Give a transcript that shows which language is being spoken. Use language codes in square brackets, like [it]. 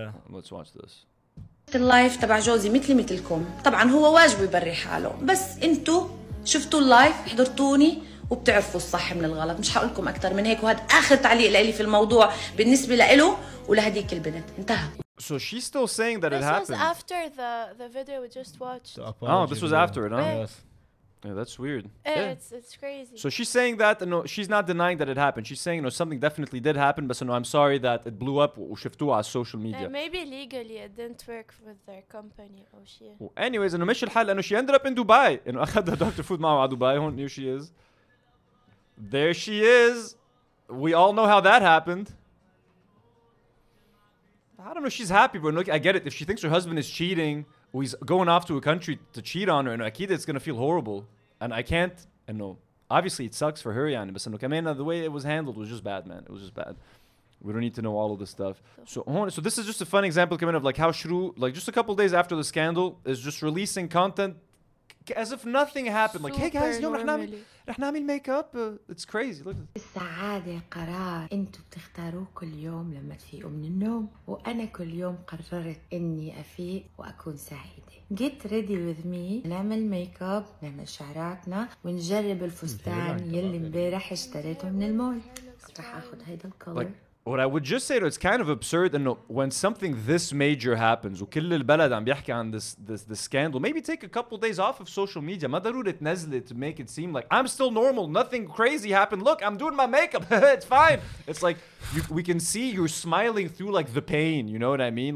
[en] let's watch this [ar] اللايف تبع جوزي مثلي مثلكم طبعاً هو واجب يبري حاله بس انتو شفتوا اللايف حضرتوني وبتعرفوا الصح من الغلط مش هقولكم أكتر من هيك وهذا آخر تعليق لإلي في الموضوع بالنسبة لإله ولهديك البنت انتهى [en] So she's still saying that this it happened. This was after the video we just watched. Oh, this was after it, huh? Yes. Yeah, that's weird. It's crazy. So she's saying that, you know, she's not denying that it happened. She's saying, you know, something definitely did happen, but you know, I'm sorry that it blew up [ar] وشفتوا على [en] social media. Maybe legally it didn't work with their company. Oh, well, anyways, you know, [ar] مش الحال, [en] you know, she ended up in Dubai. You know, [ar] أخذ [en] Dr. Food [ar] معه على [en] Dubai. Here she is. There she is. We all know how that happened. I don't know. She's happy, but look, I get it. If she thinks her husband is cheating, or he's going off to a country to cheat on her, and you know, it's going to feel horrible. And I can't. And you know, obviously it sucks for her, yeah. But look, I mean, the way it was handled was just bad, man. It was just bad. We don't need to know all of this stuff. So this is just a fun example coming of like how Shru, like just a couple days after the scandal, is just releasing content as if nothing happened. Like, hey guys, you know, [ar] رح نعمل ميك اب [en] it's crazy [ar] السعادة قرار انتو بتختاروه كل يوم لما تفيقوا من النوم وانا كل يوم قررت اني افيق واكون سعيدة [en] get ready with me [ar] نعمل ميك اب نعمل شعراتنا ونجرب الفستان يلي امبارح اشتريته من المول رح اخذ هيدا الكولر [en] What I would just say, though, it's kind of absurd. And when something this major happens, [ar] وكل البلد عم بيحكي عن [en] this scandal, maybe take a couple days off of social media. [ar] ما ضروري تنزل [en] it to make it seem like I'm still normal. Nothing crazy happened. Look, I'm doing my makeup. It's fine. It's like we can see you're smiling through like the pain. You know what I mean?